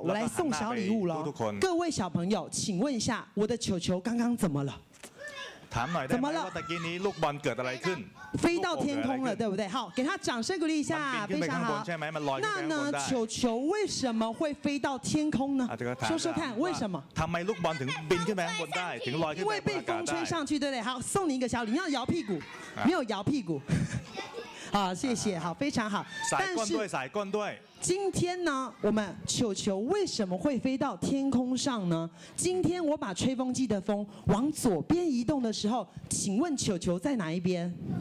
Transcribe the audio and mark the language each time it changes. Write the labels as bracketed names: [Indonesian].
[Chinese] 我来送小礼物了，各位小朋友，请问一下，我的球球刚刚怎么了？怎么了？我刚才那 [Thai] ลูกบอลเกิดอะไรขึ้น？ [Chinese] 飞到天空了，对不对？好，给他掌声鼓励一下，非常好。那呢，球球为什么会飞到天空呢？说说看，为什么？ [Thai] ทำไมลูกบอลถึงบินขึ้นไปข้างบนได้ถึงลอยขึ้นไปได้ [Chinese] ？因为被风吹上去，对不对？好，送你一个小礼，你要摇屁股，没有摇屁股。好，谢谢，好，非常好。但是，甩棍队，今天呢，我们球球为什么会飞到天空上呢？今天我把吹风机的风往左边移动的时候，请问球球在哪一边？